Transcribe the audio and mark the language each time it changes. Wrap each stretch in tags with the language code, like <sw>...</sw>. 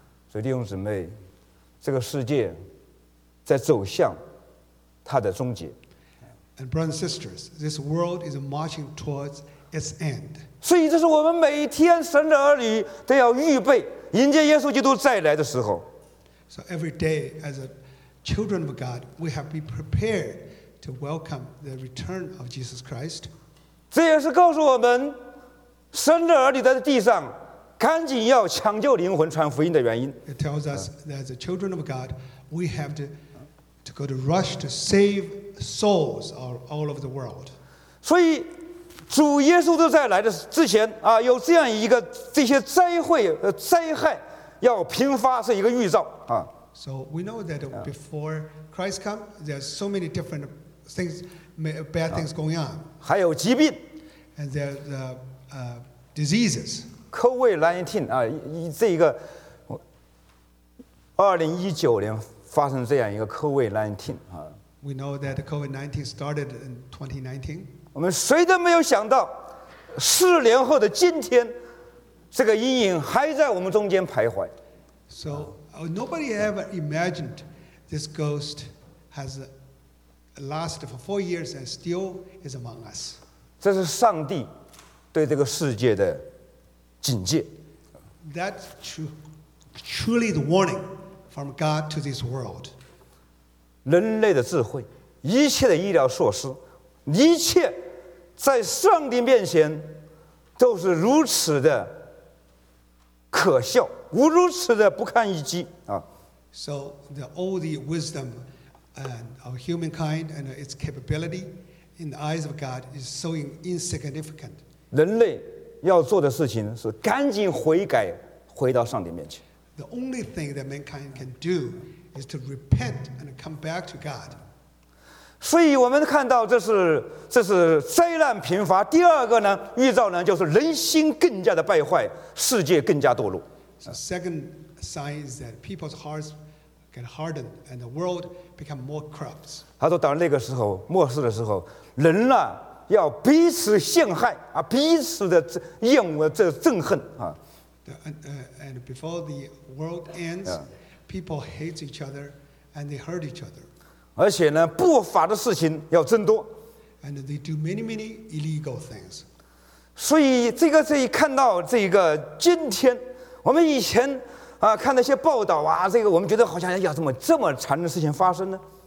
<zh>所以弟兄姊妹，这个世界在走向它的终结。</zh> <en>And brothers and sisters, this world is marching towards its end.</en> <zh>所以这是我们每天神的儿女都要预备迎接耶稣基督再来的时候。</zh> <en>So every day, as a children of God, we have been prepared to welcome the return of Jesus Christ.</en> <zh>这也是告诉我们，神的儿女在地上，赶紧要抢救灵魂、传福音的原因。</zh> <en>It tells us that as a children of God, we have to go to rush to save souls all over the world.</en> <zh>所以主耶稣都在来的之前啊，有这样一个这些灾祸、灾害要频发，是一个预兆啊。</zh> <en>So we know that before Christ comes, there are so many different things, bad things going on.</en> <zh>还有疾病</zh> <en>，and there are the, diseases.</en> <zh>COVID-19 啊，这一个2019年发生这样一个 COVID-19 啊。</zh> <en>We know that COVID-19 started in 2019.</en> <zh>我们谁都没有想到，四年后的今天，这个阴影还在我们中间徘徊。</zh> <en>So nobody ever imagined this ghost has lasted for 4 years and still is among us.</en> <zh>这是上帝对这个世界的警戒。</zh> <en>That's truly the warning from God to this world.</en> <zh>人类的智慧，一切的医疗措施，一切。在上帝面前都是如此的可笑，如此的不堪一击啊。</zh> <en>So the, all the wisdom and our humankind and its capability in the eyes of God is so insignificant.</en> <zh>人类要做的事情是赶紧悔改，回到上帝面前。</zh> <en>The only thing that mankind can do is to repent and come back to God.</en> <zh>所以我们看到这是灾难频发。第二个呢，预兆呢，就是人心更加的败坏，世界更加堕落。</zh> <en>So, second sign is that people's hearts get hardened and the world become more corrupt.</en> <zh>他说，到那个时候，末世的时候，人呢、啊、要彼此陷害啊，彼此的厌恶、这憎恨啊。</zh> <en>And before the world ends, people hate each other and they hurt each other.</en> <zh>而且呢，不法的事情要增多。</zh> <en>And they do many, many illegal things.</en> <zh>所以这个这一看到这个今天，我们以前啊看那些报道啊，这个我们觉得好像要这么残忍的事情发生呢。</zh>